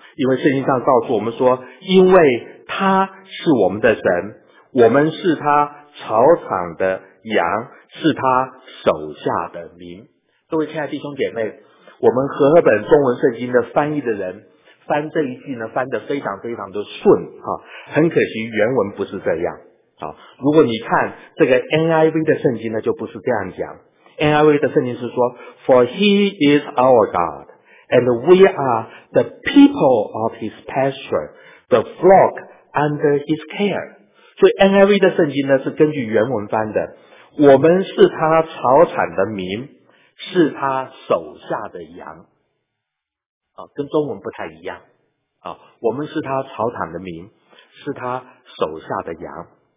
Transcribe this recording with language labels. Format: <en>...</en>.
<zh>因为圣经上告诉我们说，因为他是我们的神，我们是他草场的羊，是他手下的民。各位亲爱的弟兄姐妹，我们和合本中文圣经的翻译的人翻这一句呢，翻得非常非常的顺啊，很可惜原文不是这样啊。如果你看这个 NIV 的圣经呢，就不是这样讲。 NIV 的圣经是说</zh> <en>，For He is our God, and we are the people of His pasture, the flock under His care。</en> <zh>所以 NIV 的圣经呢是根据原文翻的，我们是他草场的民，是他手下的羊。跟中文不太一样，我们是他草场的民，是他手下的羊。</zh>